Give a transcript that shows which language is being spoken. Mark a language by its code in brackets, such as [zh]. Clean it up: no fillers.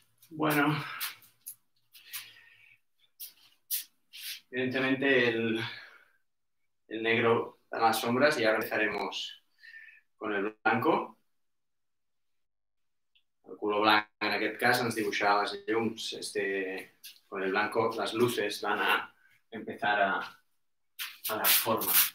[es] Bueno, evidentemente el negro da las sombras y ahora empezaremos con el blanco. [ca] El color blanco en aquest cas ens dibuixarà les llums. [es] Con el blanco las luces van a empezar a dar forma.